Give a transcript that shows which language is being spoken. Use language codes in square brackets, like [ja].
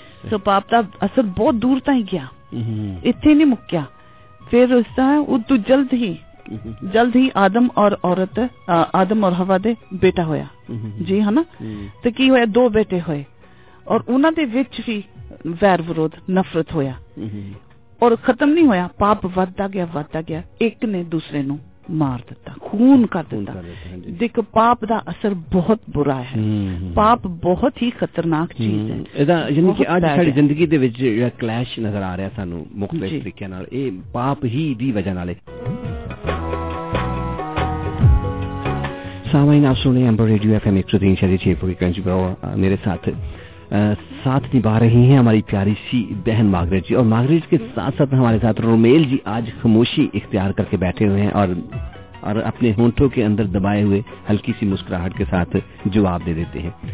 [pa] ਸੋ ਪਾਪ ਦਾ ਅਸਰ ਬਹੁਤ ਦੂਰ ਤਾਂ ਹੀ ਗਿਆ ਇੱਥੇ ਨੀ ਮੁੱਕਿਆ ਫਿਰ ਉਸ ਤਰ੍ਹਾਂ ਉਦੋਂ ਜਲਦ ਹੀ ਆਦਮ ਔਰਤ ਆਦਮ ਔਰ ਹਵਾ ਦੇ ਬੇਟਾ ਹੋਇਆ ਜੀ ਹਨਾ ਤੇ ਕੀ ਹੋਇਆ ਦੋ ਬੇਟੇ ਹੋਏ ਔਰ ਉਹਨਾਂ ਦੇ ਵਿੱਚ ਵੀ ਵੈਰ ਵਿਰੋਧ ਨਫ਼ਰਤ ਹੋਇਆ ਔਰ ਖਤਮ ਨੀ ਹੋਇਆ ਪਾਪ ਵੱਧਦਾ ਗਿਆ ਇੱਕ ਨੇ ਦੂਸਰੇ ਨੂੰ مار دیتا, خون کر دیتا. دیکھ پاپ دا اثر بہت برا ہے, پاپ بہت ہی خطرناک چیز ہے. یعنی کہ آج ساری زندگی دے وچ جڑا کلیش نظر آ رہا سانو مختلف طریقے نال, اے پاپ ہی دی وجہ نال. [ur] سامعین آپ سن رہے ہیں امبر ریڈیو ایف ایم 103.6 فریکوئنسی پر, میرے ساتھ ساتھ نبھا رہی ہیں ہماری پیاری سی بہن مارگریٹ جی, اور مارگریٹ کے ساتھ ساتھ ہمارے ساتھ رومیل جی آج خاموشی اختیار کر کے بیٹھے ہوئے ہیں اور اپنے ہونٹوں کے اندر دبائے ہوئے ہلکی سی مسکراہٹ کے ساتھ جواب دے دیتے ہیں.